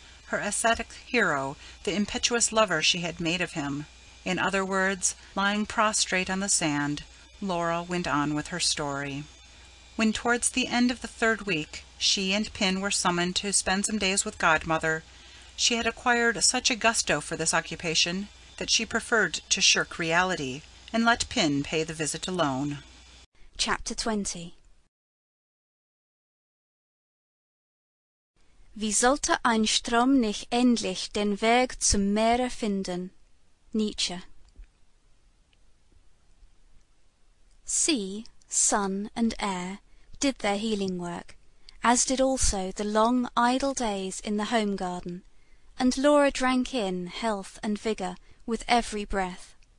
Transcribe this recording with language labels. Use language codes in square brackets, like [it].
[en] Her ascetic hero, the impetuous lover she had made of him, in other words, lying prostrate on the sand, Laura went on with her story. When towards the end of the third week she and Pin were summoned to spend some days with Godmother, she had acquired such a gusto for this occupation, that she preferred to shirk reality, and let Pin pay the visit alone. Chapter 20 [de] Wie sollte ein Strom nicht endlich den Weg zum Meere finden? Nietzsche. [en] Sea, sun, and air did their healing work, as did also the long idle days in the home garden, and Laura drank in health and vigour with every breath.